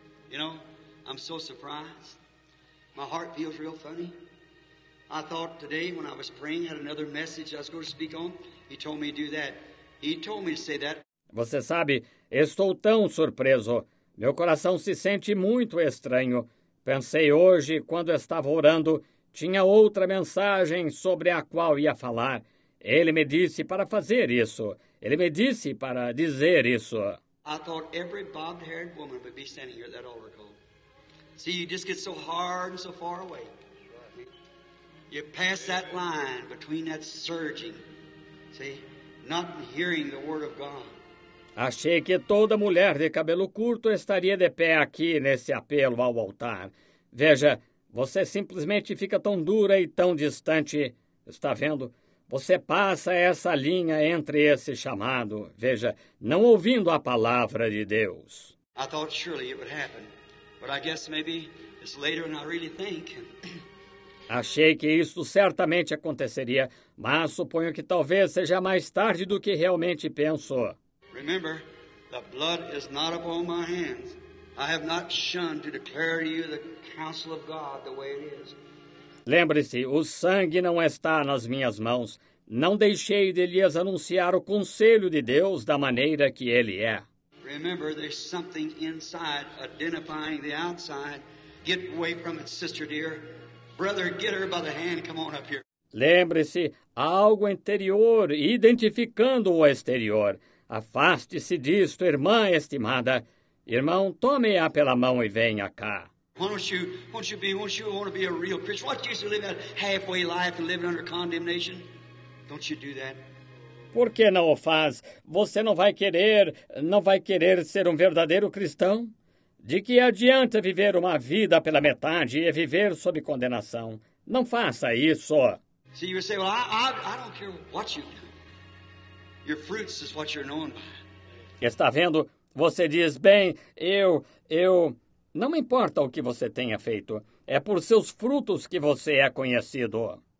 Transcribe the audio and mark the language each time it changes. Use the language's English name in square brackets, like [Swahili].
[English] You know, I'm so surprised. My heart feels real funny. I thought today when I was praying, had another message I was going to speak on. He told me to do that. He told me to say that. [Portuguese] Você sabe, estou tão surpreso. Meu coração se sente muito estranho. Pensei hoje, quando estava orando, tinha outra mensagem sobre a qual ia falar. Ele me disse para fazer isso. Ele me disse para dizer isso. [English] I thought every bobbed-haired woman would be standing here at that altar call. See, you just get so hard and so far away. You pass that line between that surging, see, not hearing the word of God. [Portuguese] Achei que toda mulher de cabelo curto estaria de pé aqui nesse apelo ao altar. Veja, você simplesmente fica tão dura e tão distante. Está vendo? Você passa essa linha entre esse chamado, veja, não ouvindo a palavra de Deus. [English] I thought surely it would happen, but I guess maybe it's later than I really think. [Portuguese] Achei que isso certamente aconteceria, mas suponho que talvez seja mais tarde do que realmente penso. [English] Remember, the blood is not upon my hands. I have not shunned to declare to you the counsel of God the way it is. [Portuguese] Lembre-se, o sangue não está nas minhas mãos. Não deixei de lhes anunciar o conselho de Deus da maneira que ele é. [English] Remember, there's something inside identifying the outside. Get away from it, sister dear. Brother, get her by the hand. Come on up here. [Portuguese] Lembre-se, algo interior identificando o exterior. Afaste-se disto, irmã estimada. Irmão, tome-a pela mão e venha cá. [English] Won't you be a real Christian? What use to live that halfway life and live under condemnation? Don't you do that? [Portuguese] Por que não o faz? Você não vai querer ser um verdadeiro cristão? De que adianta viver uma vida pela metade e viver sob condenação? Não faça isso. [English] See, you say, well, I don't care what you do. Your fruits is what you're known by. [Portuguese] Está vendo? Você diz, bem, eu... Não importa o que você tenha feito. É por seus frutos que você é conhecido.